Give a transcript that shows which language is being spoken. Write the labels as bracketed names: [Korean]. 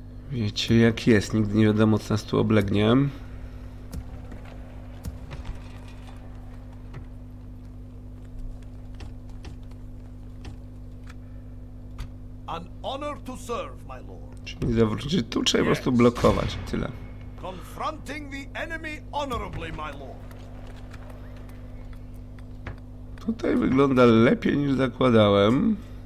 [Polish] Wiecie, jak jest. Nigdy nie wiadomo, co nas tu oblegnie. [English] An honor to serve, my lord. [Polish] Czyli nie zawrócić tu, trzeba po prostu blokować. Tyle. [English] Confronting the enemy honorably, my lord. [Polish] Tutaj wygląda lepiej niż zakładałem.